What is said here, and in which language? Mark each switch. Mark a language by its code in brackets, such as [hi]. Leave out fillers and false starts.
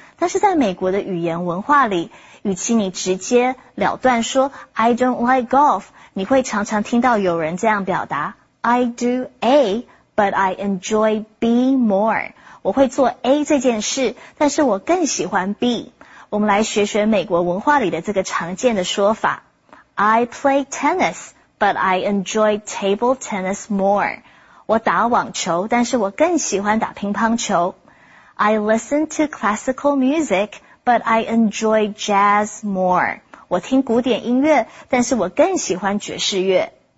[zh] 但是在美国的语言文化里,与其你直接了断说 [en] I don't like golf, [zh] 你会常常听到有人这样表达 [en] I do A, but I enjoy B more. [zh] 我会做 A 这件事,但是我更喜欢 B. 我们来学学美国文化里的这个常见的说法。 [en] I play tennis, but I enjoy table tennis more. [zh] 我打网球,但是我更喜欢打乒乓球。 [en] I listen to classical music,But I enjoy jazz more. [zh] 我听古典音乐，但是我更喜欢爵士乐。